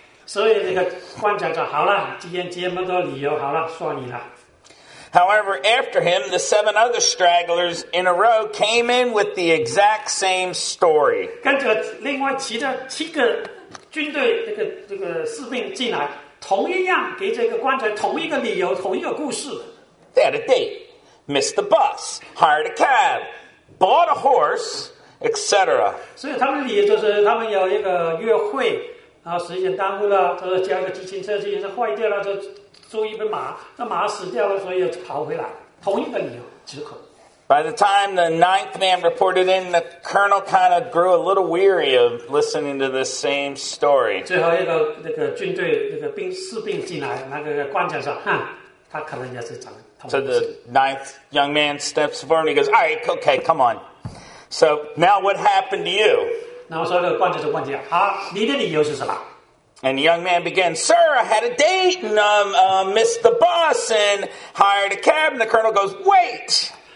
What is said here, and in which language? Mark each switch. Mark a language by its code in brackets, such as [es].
[zh] 所以那个官长说，好了，既然这么多理由，好了，算你了。 [en] However, after him, the 7 other stragglers in a row came in with the exact same story. [zh] 跟着另外其他7个军队这个士兵进来，同一样给这个官长同一个理由，同一个故事。 [en] They had a date, missed the bus, hired a cab, bought a horse, etc. [zh] 所以他们的理由就是他们有一个约会，然后时间耽误了，就是叫一个机器车，机器车坏掉了，就。租一匹马，那马死掉了，所以又跑回来，同一个理由，借口。 [en] By the time the ninth man reported in, the colonel kind of grew a little weary of listening to this same story. [zh] 最后一个那个军队那个兵士兵进来，那个官长说，哼，他可能也是长。 [en] So the ninth young man steps forward and he goes, "All right, okay, come on. So now, what happened to you?" [zh] 然后说那个官长就问起，好，你的理由是什么？" [en] And the young man began, "Sir, I had a date and missed the bus and hired a cab." And the colonel goes, "Wait."